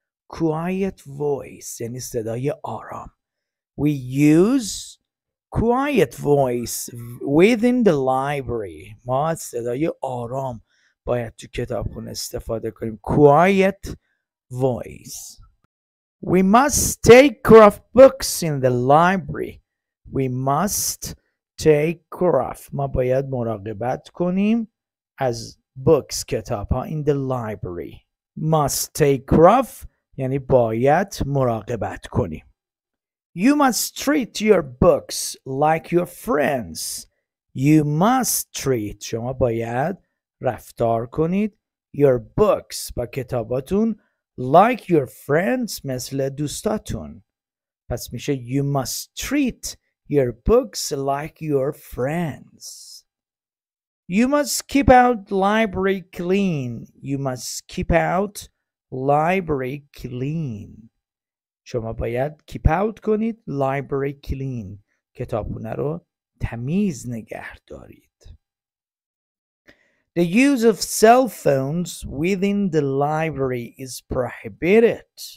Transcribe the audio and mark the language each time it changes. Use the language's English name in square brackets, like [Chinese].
[English] Quiet voice [Persian] یعنی صدای آرام. [English] We use quiet voice within the library. [Persian] ما صدای آرام باید تو کتابخونه استفاده کنیم. [English] Quiet voice. We must take care of books in the library. We must take care of. [Persian] ما باید مراقبت کنیم از [English] books [Persian] کتاب ها [English] in the library. Must take care of [Persian] یعنی باید مراقبت کنیم. [English] You must treat your books like your friends. You must treat. [Persian] شما باید رفتار کنید [English] your books [Persian] با کتاباتون [English] like your friends [Persian] مثل دوستاتون. پس میشه [English] you must treat your books like your friends. You must keep out library clean. You must keep out library clean. [Persian] شما باید [English] keep out کنید library clean. [Persian] کتابخونه رو تمیز نگه دارید. [English] The use of cell phones within the library is prohibited.